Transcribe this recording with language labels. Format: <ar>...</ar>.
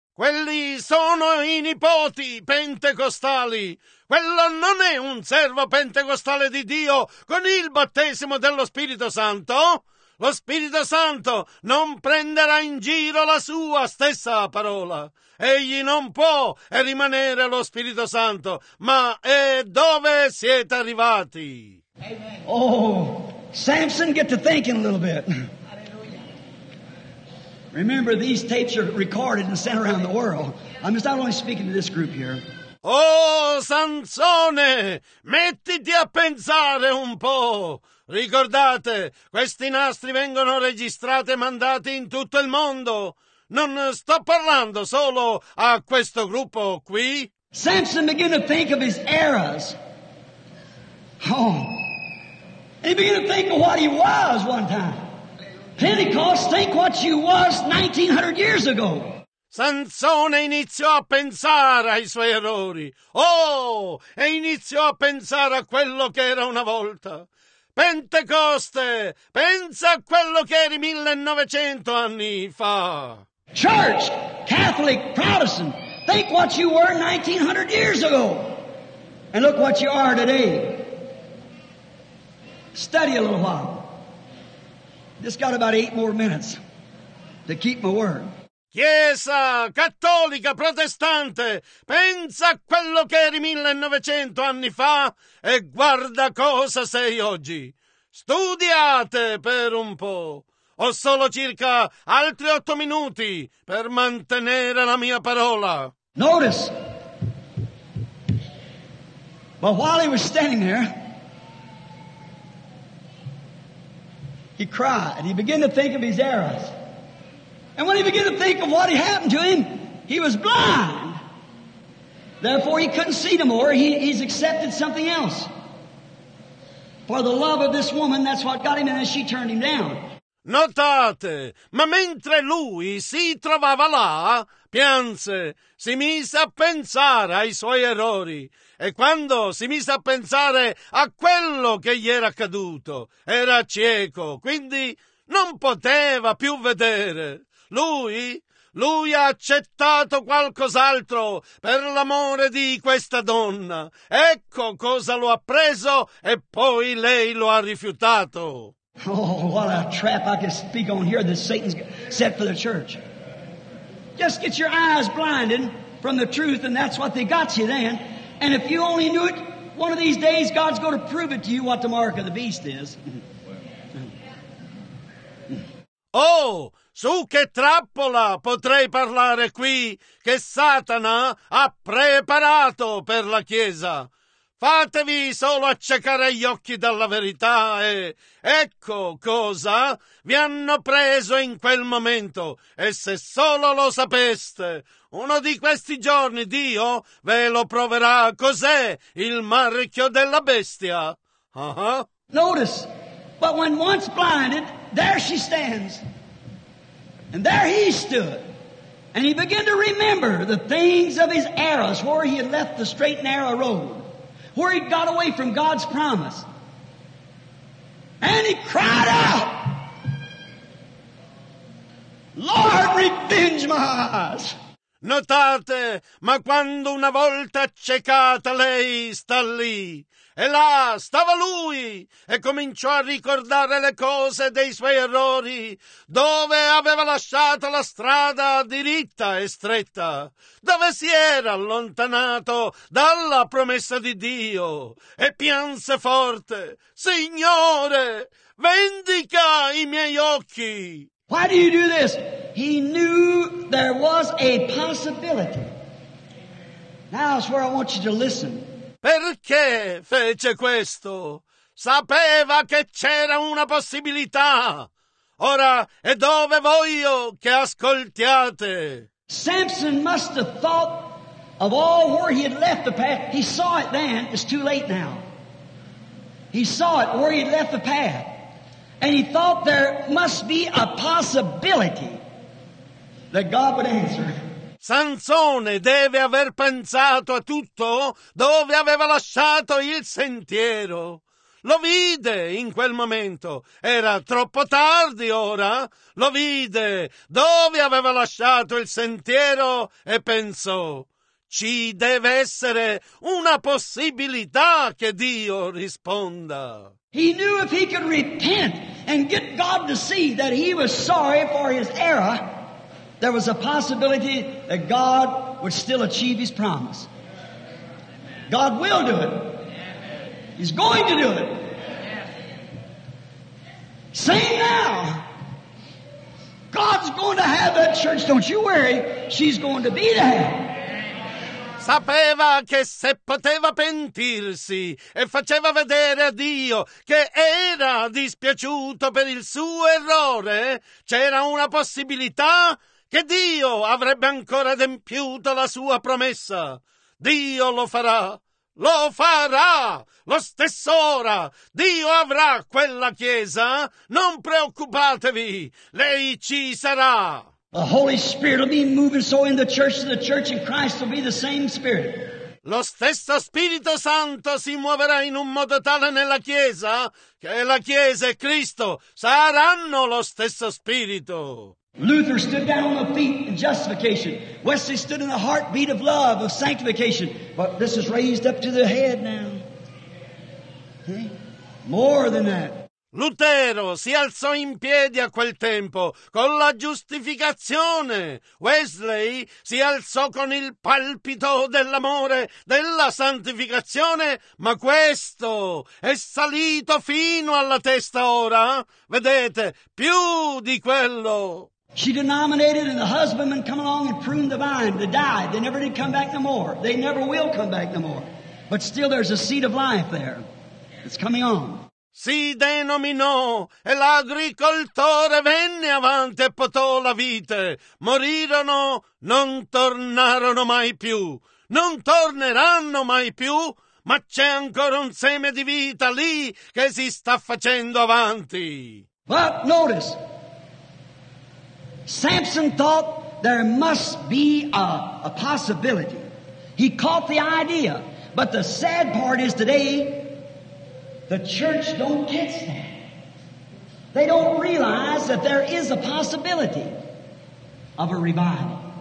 <it>Quelli sono i nipoti pentecostali. Quello non è un servo pentecostale di Dio con il battesimo dello Spirito Santo. Lo Spirito Santo non prenderà in giro la sua stessa parola. Egli non può rimanere lo Spirito Santo, ma è dove siete arrivati.</it> <en>Oh, Samson, get to thinking a little bit. Remember, these tapes are recorded and sent around the world. I'm just not only speaking to this group here.</en> <it>Oh, Sansone, mettiti a pensare un po'. Ricordate, questi nastri vengono registrati e mandati in tutto il mondo. Non sto parlando solo a questo gruppo qui.</it> <en>Samson began to think of his eras. Oh, he began to think of what he was one time. Pentecost, think what you was 1900 years ago.</en> <it>Sansone iniziò a pensare ai suoi errori. Oh, e iniziò a pensare a quello che era una volta. Pentecoste, pensa a quello che eri 1900 anni fa.</it> <en>Church, Catholic, Protestant, think what you were 1900 years ago. And look what you are today. Study a little while. Just got about 8 more minutes to keep my word.</en> <it>Chiesa, cattolica, protestante, pensa a quello che eri 1900 anni fa e guarda cosa sei oggi. Studiate per un po'. Ho solo circa altri 8 minuti per mantenere la mia parola.</it> <en>Notice. But while he was standing there, he cried. He began to think of his errors. And when he began to think of what had happened to him, he was blind. Therefore, he couldn't see no more. He's accepted something else. For the love of this woman, that's what got him, and then she turned him down.</en> <it>Notate, ma mentre lui si trovava là, pianse, si mise a pensare ai suoi errori. E quando si mise a pensare a quello che gli era accaduto, era cieco, quindi non poteva più vedere. Lui ha accettato qualcos'altro per l'amore di questa donna. Ecco cosa lo ha preso e poi lei lo ha rifiutato.</it> <en>Oh, what a trap I can speak on here that Satan's set for the church. Just get your eyes blinded from the truth, and that's what they got you then. And if you only knew it, one of these days God's going to prove it to you what the mark of the beast is.</en> <it>Oh, su che trappola potrei parlare qui che Satana ha preparato per la Chiesa? Fatevi solo accecare gli occhi dalla verità e ecco cosa vi hanno preso in quel momento. E se solo lo sapeste, uno di questi giorni Dio ve lo proverà. Cos'è il marchio della bestia?</it> <en>Notice, but when once blinded, there she stands. And there he stood, and he began to remember the things of his eras, where he had left the straight and narrow road, where he'd got away from God's promise. And he cried out, Lord, revenge my eyes.</en> <it>Notate, ma quando una volta accecata lei sta lì, e là stava lui e cominciò a ricordare le cose dei suoi errori, dove aveva lasciato la strada diritta e stretta, dove si era allontanato dalla promessa di Dio e pianse forte, Signore, vendica i miei occhi.</it> <en>Why do you do this? He knew there was a possibility. Now is where I want you to listen.</en> <it>Perché fece questo? Sapeva che c'era una possibilità. Ora è dove voglio che ascoltiate.</it> <en>Samson must have thought of all where he had left the path. He saw it then. It's too late now. He saw it where he had left the path. And he thought there must be a possibility that God would answer.</en> <it>Sansone deve aver pensato a tutto dove aveva lasciato il sentiero. Lo vide in quel momento. Era troppo tardi ora. Lo vide dove aveva lasciato il sentiero e pensò: ci deve essere una possibilità che Dio risponda.</it> <en>He knew if he could repent and get God to see that he was sorry for his error, there was a possibility that God would still achieve his promise. God will do it. He's going to do it. Say now, God's going to have that church. Don't you worry, she's going to be there.</en> <it>Sapeva che se poteva pentirsi e faceva vedere a Dio che era dispiaciuto per il suo errore, c'era una possibilità che Dio avrebbe ancora adempiuto la sua promessa. Dio lo farà. Lo farà lo stesso ora. Dio avrà quella chiesa. Non preoccupatevi, lei ci sarà.</it> <en>The Holy Spirit will be moving so in the church in Christ will be the same Spirit.</en> <it>Lo stesso Spirito Santo si muoverà in un modo tale nella chiesa che la chiesa e Cristo saranno lo stesso Spirito.</it> <en>Luther stood down on the feet in justification. Wesley stood in the heartbeat of love, of sanctification. But this is raised up to the head now. See? More than that.</en> <it>Lutero si alzò in piedi a quel tempo con la giustificazione. Wesley si alzò con il palpito dell'amore, della santificazione. Ma questo è salito fino alla testa ora. Vedete, più di quello.</it> <en>She denominated and the husbandmen come along and pruned the vine. They died. They never did come back no more. They never will come back no more. But still there's a seed of life there. It's coming on.</en> <it>Si denominò e l'agricoltore venne avanti e potò la vite. Morirono, non tornarono mai più. Non torneranno mai più, ma c'è ancora un seme di vita lì che si sta facendo avanti.</it> <en>But notice, Samson thought there must be a possibility. He caught the idea. But the sad part is today, the church don't catch that. They don't realize that there is a possibility of a revival.</en>